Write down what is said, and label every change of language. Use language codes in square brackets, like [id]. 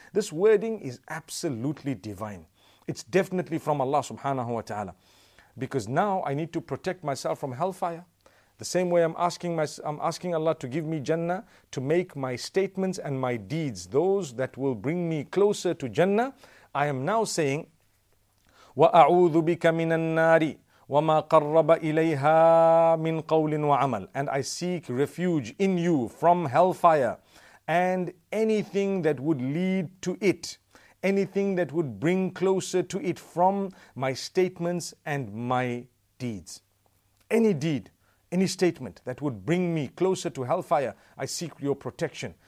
[en] This wording is absolutely divine. It's definitely from Allah subhanahu wa ta'ala. Because now I need to protect myself from hellfire. The same way I'm asking Allah to give me Jannah, to make my statements and my deeds those that will bring me closer to Jannah. I am now saying, [ar] وَأَعُوذُ بِكَ مِنَ النَّارِ وَمَا قَرَّبَ إِلَيْهَا مِنْ قَوْلٍ وَعَمَلٍ. [en] And I seek refuge in you from hellfire and anything that would lead to it. Anything that would bring closer to it from my statements and my deeds. Any deed, any statement that would bring me closer to hellfire, I seek your protection.